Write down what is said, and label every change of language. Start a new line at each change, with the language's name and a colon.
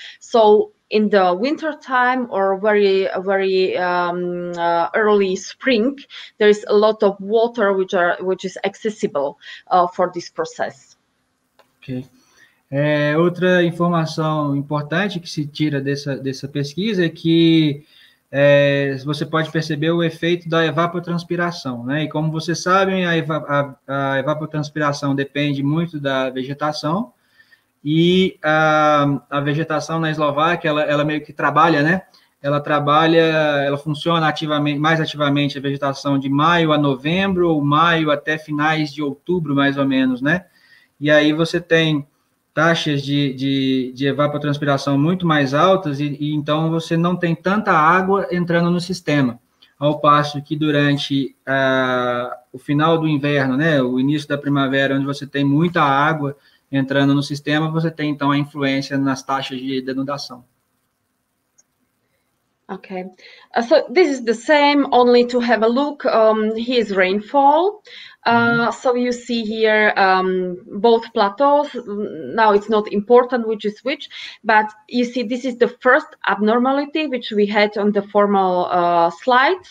English: So in the winter time or very early spring, there is a lot of water which is accessible for this process. Okay.
Portuguese: Outra informação importante que se tira dessa pesquisa é que você pode perceber o efeito da evapotranspiração, né? E como vocês sabem, a evapotranspiração depende muito da vegetação. E a vegetação na Eslováquia, ela meio que trabalha, né? Ela funciona ativamente, mais ativamente a vegetação de maio a novembro, ou maio até finais de outubro, mais ou menos, né? E aí você tem taxas de evapotranspiração muito mais altas, e então você não tem tanta água entrando no sistema. Ao passo que durante o final do inverno, né, o início da primavera, onde você tem muita água entrando no sistema, você tem, então, a influência nas taxas de denudação.
English: Okay, so this is the same, only to have a look. Here's rainfall. So you see here both plateaus. Now it's not important which is which, but you see this is the first abnormality which we had on the formal slide.